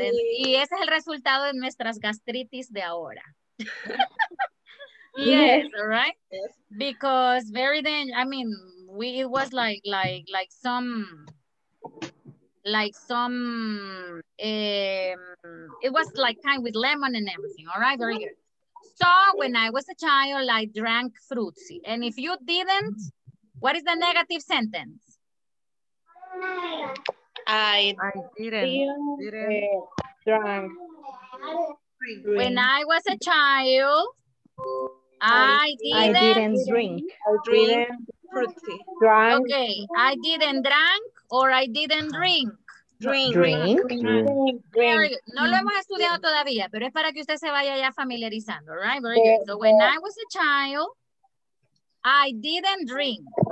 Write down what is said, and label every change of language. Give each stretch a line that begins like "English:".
Spanish: Y ese es el resultado de nuestras gastritis de ahora.
English: Yes, all right? Yes. Because very dangerous. I mean, it was like with lemon and everything. All right, very good. So when I was a child, I drank fruitsy. And if you didn't, what is the negative sentence? I didn't drink. When I was a child, I didn't drink fruitsy. Okay, I didn't drink or I didn't drink.
Spanish: No lo hemos estudiado todavía, pero es para que usted se vaya ya familiarizando, right?
English: Very good. So when I was a child, I didn't drink.